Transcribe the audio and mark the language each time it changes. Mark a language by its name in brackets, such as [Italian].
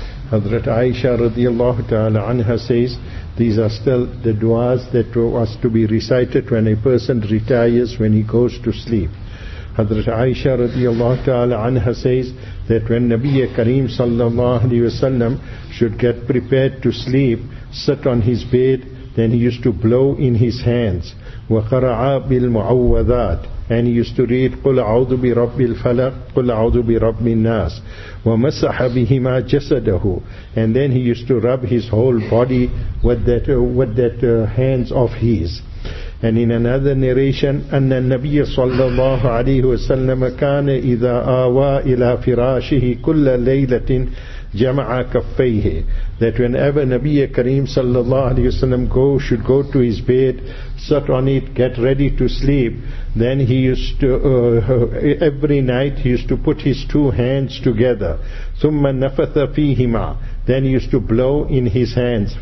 [English] Hazrat Aisha radiallahu ta'ala anha says, these are still the du'as that was to be recited when a person retires, when he goes to sleep. Hazrat Aisha radiallahu ta'ala anha says that when Nabi Kareem sallallahu alayhi wasallam should get prepared to sleep, sit on his bed, then he used to blow in his hands. [Arabic] وَقَرَعَ بِالْمُعَوَّذَاتِ. [English] And he used to read [Arabic] قُلْ أَعُوذُ بِرَبِّ الْفَلَقِ قُلْ أَعُوذُ بِرَبِّ النَّاسِ وَمَسَّحَ بِهِمَا جَسَدَهُ. [English] And then he used to rub his whole body with that hands of his. And in another narration, [Arabic] أَنَّ النَّبِيَّ صَلَّى اللَّهُ عَلَيْهُ وَسَلَّمَ كَانَ إِذَا آوَى إِلَى فِرَاشِهِ كُلَّ لَيْلَةٍ جَمَعَ كَفَّيْهِ. [English] That whenever Nabi Kareem sallallahu alayhi wasallam should go to his bed, sit on it, get ready to sleep, then he used to, every night he used to put his two hands together. [Arabic] ثُمَّ نَفَثَ فِيهِمَا. [English] Then he used to blow in his hands.